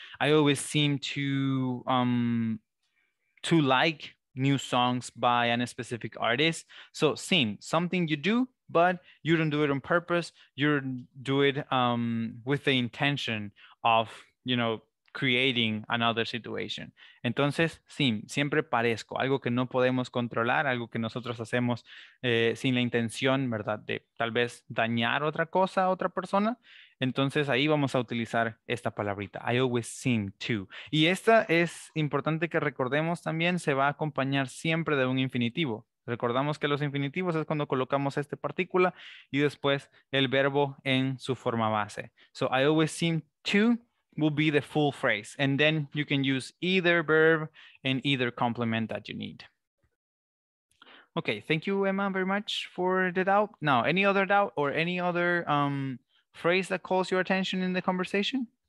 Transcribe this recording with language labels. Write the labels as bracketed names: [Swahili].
[English] I always seem to like new songs by a specific artist. So seem, something you do, but you don't do it on purpose. You do it with the intention of, you know, creating another situation. [Spanish] Entonces, seem, siempre parezco, algo que no podemos controlar, algo que nosotros hacemos sin la intención, ¿verdad?, de tal vez dañar otra cosa, otra persona. Entonces ahí vamos a utilizar esta palabrita, [English] I always seem to. [Spanish] Y esta es importante que recordemos también, se va a acompañar siempre de un infinitivo. Recordamos que los infinitivos es cuando colocamos esta partícula y después el verbo en su forma base. [English] So I always seem to will be the full phrase. And then you can use either verb and either complement that you need. Okay, thank you, Emma, very much for the doubt. Now, any other doubt or any other phrase that calls your attention in the conversation?